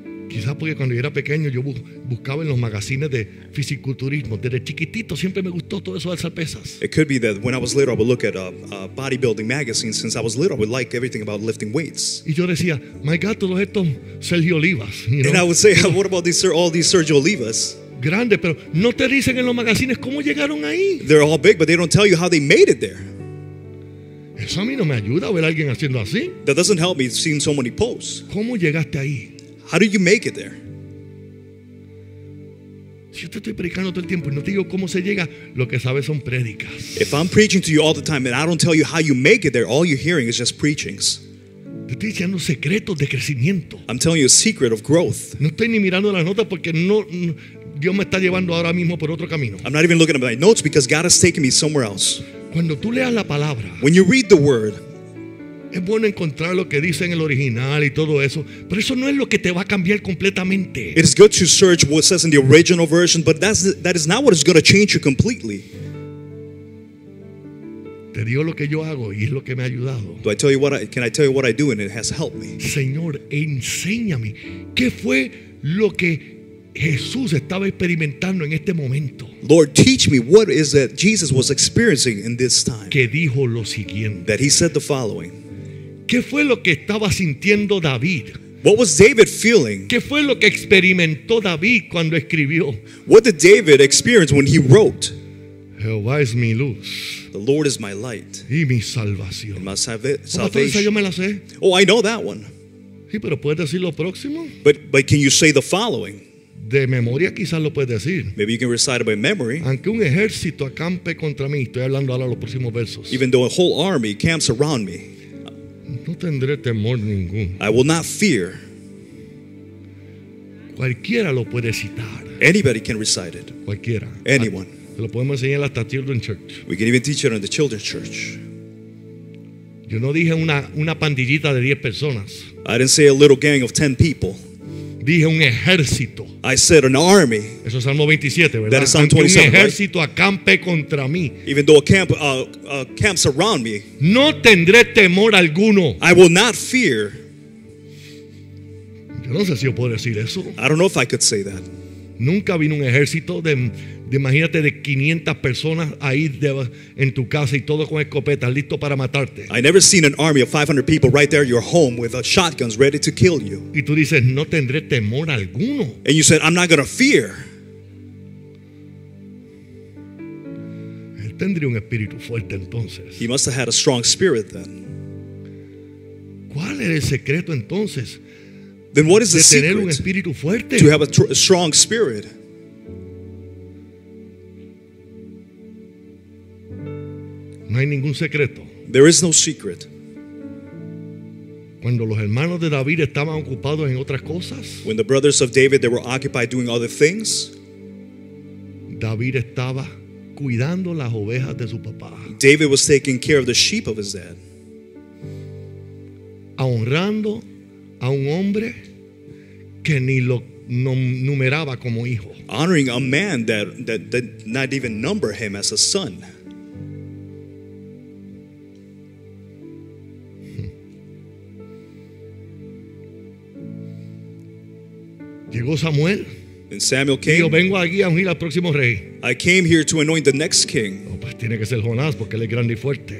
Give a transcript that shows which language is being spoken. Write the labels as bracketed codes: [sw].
[es] Quizás porque cuando yo era pequeño yo buscaba en los magazines de fisiculturismo. Desde chiquitito siempre me gustó todo eso de alzar pesas. [en] It could be that when I was little I would look at a bodybuilding magazine. Since I was little I would like everything about lifting weights. [es] Y yo decía, [en] my God, [es] todos estos Sergio Olivas. [en] You know? And I would say, what about all these Sergio Olivas? [es] Grande, pero no te dicen en los magazines cómo llegaron ahí. [en] They're all big, but they don't tell you how they made it there. [es] Eso a mí no me ayuda ver a alguien haciendo así. [en] That doesn't help me seeing so many posts. [es] ¿Cómo llegaste ahí? [en] How did you make it there? [es] Si yo te estoy predicando todo el tiempo y no te digo cómo se llega, lo que sabes son prédicas. [en] If I'm preaching to you all the time and I don't tell you how you make it there, all you're hearing is just preachings. [es] Te estoy diciendo secretos de crecimiento. [en] I'm telling you a secret of growth. [es] No estoy ni mirando las notas porque no. Dios me está llevando ahora mismo por otro camino. [en] I'm not even looking at my notes because God has taken me somewhere else. [es] Cuando tú leas la palabra, [en] when you read the word, [es] es bueno encontrar lo que dice en el original y todo eso, pero eso no es lo que te va a cambiar completamente. [en] It is good to search what it says in the original version, but that is not what is going to change you completely. [es] Te digo lo que yo hago y es lo que me ha ayudado. [en] Do I tell you what I, can I tell you what I do and it has helped me? [es] Señor, enséñame qué fue lo que Jesús estaba experimentando en este momento. [en] Lord, teach me what is that Jesus was experiencing in this time. [es] Que dijo lo siguiente. [en] That he said the following. [es] ¿Qué fue lo que estaba sintiendo David? [en] What was David feeling? [es] ¿Qué fue lo que experimentó David cuando escribió? [en] What did David experience when he wrote? [es] Jehová es mi luz. [en] The Lord is my light. [es] Y mi salvación. [en] And my salvation. [es] Oh, yo me la sé. [en] Oh, I know that one. [es] Sí, pero ¿puedes decir lo próximo? [en] But can you say the following? [es] De memoria quizás lo puedes decir. [en] Maybe you can recite it by memory. [es] Aunque un ejército acampe contra mí, estoy hablando ahora los próximos versos. [en] Even though a whole army camps around me, [es] no tendré temor ningún. [en] I will not fear. [es] Cualquiera lo puede citar. [en] Anybody can recite it. [es] Cualquiera. [en] Anyone. [es] Se lo podemos enseñar hasta [en] children church. We can even teach it in the children's church. [es] Yo no dije una pandillita de 10 personas. [en] I didn't say a little gang of 10 people. [es] Dije un ejército. [en] I said an army. [es] Eso es Salmo 27, ¿verdad? [en] That is Psalm 27, [es] un ejército, [en] right? [es] Acampe contra mí. [en] Even though a camp camps around me. [es] No tendré temor alguno. [en] I will not fear. [es] Yo no sé si yo puedo decir eso. [en] I don't know if I could say that. [es] Nunca vino un ejército de imagínate de 500 personas ahí en tu casa y todos con escopetas listos para matarte. [en] I never seen an army of 500 people right there at your home with shotguns ready to kill you. [es] Y tú dices, no tendré temor alguno. [en] And you said, I'm not going to fear. [es] Él tendría un espíritu fuerte entonces. [en] He must have had a strong spirit then. [es] ¿Cuál era el secreto entonces? [en] Then what is the secret? To have a strong spirit. [es] No hay ningún secreto. [en] There is no secret. [es] Cuando los hermanos de David estaban ocupados en otras cosas, [en] when the brothers of David, they were occupied doing other things, [es] David estaba cuidando las ovejas de su papá. [en] David was taking care of the sheep of his dad. [es] Honrando a un hombre que ni lo numeraba como hijo. [en] Honoring a man that did not even number him as a son. [es] Llegó Samuel. [en] And Samuel came. [es] Yo vengo aquí a ungir al próximo rey. [en] I came here to anoint the next king. [es] Oh, pues tiene que ser Jonás porque él es grande y fuerte.